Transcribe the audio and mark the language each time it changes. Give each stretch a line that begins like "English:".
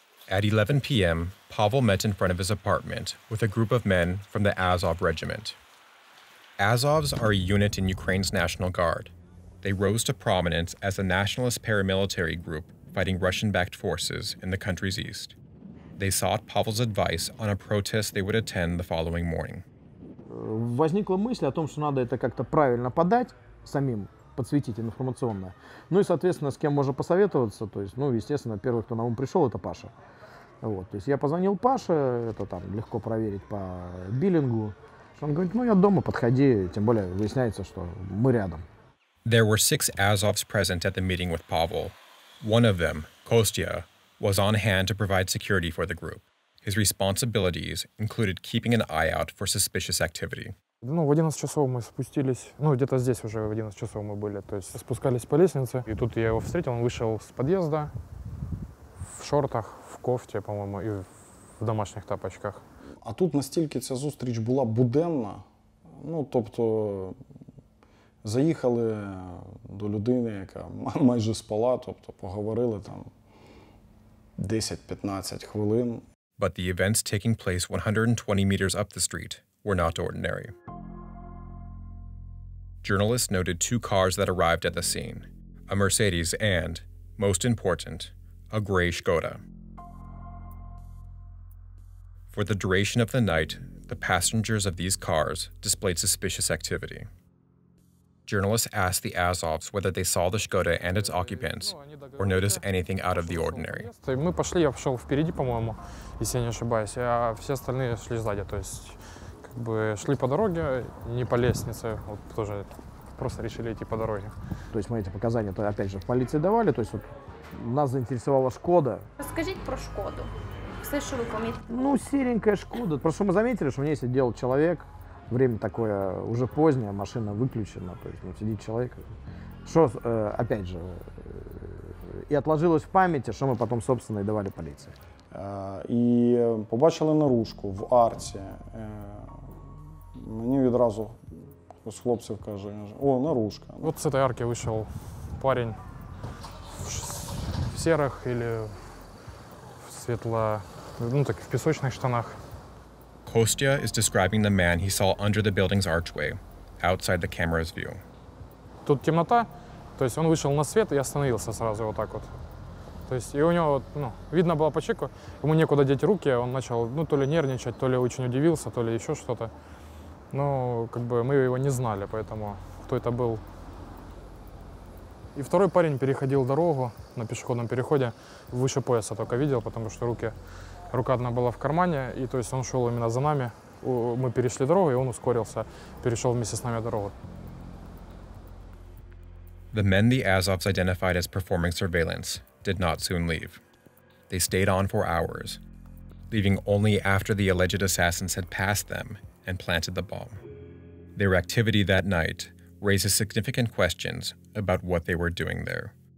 English: At 11 p.m., Pavel met in front of his apartment with a group of men from the Azov Regiment. Azovs are a unit in Ukraine's National Guard. They rose to prominence as a nationalist paramilitary group fighting Russian-backed forces in the country's east. They sought Pavel's advice on a protest they would attend the following morning.
Russian: Возникла мысль о том, что надо это как-то правильно подать самим, подсветить информационное. Ну и, соответственно, с кем можно посоветоваться, то есть, ну, естественно, первый, кто на ум пришел, это Паша. Вот, то есть я позвонил Паше, это там легко проверить по биллингу. Он говорит, ну, я дома, подходи, тем более выясняется, что мы рядом.
English: There were six Azovs present at the meeting with Pavel. One of them, Kostya, was on hand to provide security for the group. His responsibilities included keeping an eye out for suspicious activity.
Russian: Ну, в 11 часов мы спустились, ну, где-то здесь уже в 11 часов мы были, то есть спускались по лестнице, и тут я его встретил, он вышел с подъезда в шортах, в кофте, по-моему, и в домашних тапочках.
Ukrainian: А тут настільки ця зустріч була буденна, ну, тобто заїхали до людини, яка майже спала, тобто поговорили там 10-15 хвилин.
English: But the events taking place 120 meters up the street were not ordinary. Journalists noted two cars that arrived at the scene, a Mercedes and, most important, a gray Skoda. For the duration of the night, the passengers of these cars displayed suspicious activity. Journalists asked the Azovs whether they saw the Skoda and its occupants or noticed anything out of the ordinary.
Russian: Мы пошли, я шел впереди, по-моему, если я не ошибаюсь, а все остальные шли сзади, то есть как бы шли по дороге, не по лестнице, вот тоже просто решили идти по дороге. То есть мы эти показания то опять же в полиции давали, то есть вот нас заинтересовала Skoda. Расскажите про Skoda. Все, что вы помните? Ну, серенькая Skoda. Просто мы заметили, что у меня есть отдел человек. Время такое уже позднее, машина выключена, то есть, ну, сидит человек. Что, опять же, и отложилось в памяти, что мы потом, собственно, и давали полиции.
Ukrainian: И побачили наружку в арте. Мне відразу с хлопцев каже, о, наружка.
Russian: Вот с этой арки вышел парень в серых или в светло, ну, так, в песочных штанах.
English: Kostya is describing the man he saw under the building's archway, outside the camera's view.
Russian: Тут темнота, то есть он вышел на свет и остановился сразу вот так вот. То есть и у него, ну, видно было по чеку, ему некуда деть руки, он начал, ну, то ли нервничать, то ли очень удивился, то ли еще что-то. Ну, как бы мы его не знали, поэтому кто это был. И второй парень переходил дорогу на пешеходном переходе, выше пояса только видел, потому что руки... Рука одна была в кармане, и то есть он шел именно за нами. Мы перешли дорогу, и он ускорился, перешел вместе с нами дорогу.
English: The men the Azovs identified as performing surveillance did not soon leave. They stayed on for hours, leaving only after the alleged assassins had passed them and planted the bomb. Their activity that night raises significant questions about what they were doing there.